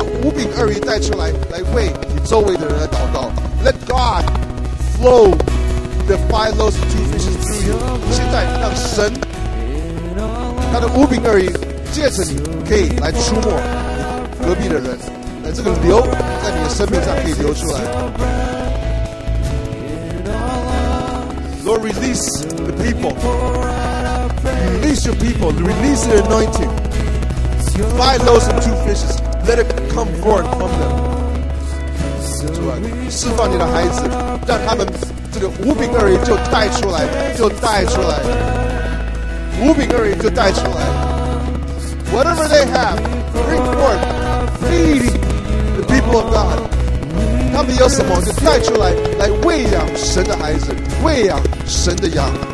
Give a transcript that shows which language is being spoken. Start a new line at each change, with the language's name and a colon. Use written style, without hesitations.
Chinese: 如果你今天现在没有在祷告，或者没有拜为人祷告，我现在鼓励你们开始把你的五饼二鱼带出来，来为你周围的人来祷告。
English: Let God flow the five loaves and two fishes through you.
Chinese: 现在让神他的五饼而已，借着你可以来触摸隔壁的人，来这个流在你的生命上可以流出来。
English: Lord, release the people. Release your people. Release the anointing. Five loaves and two fishes. Let it come forth from them.
Chinese: 释放你的孩子，让他们这个五饼二鱼就带出来，就带出来，五饼二鱼就带出来。
English: Whatever they have, bring forth, feed the people of God.
Chinese: 他们有什么就带出来，来喂养神的孩子，喂养神的羊。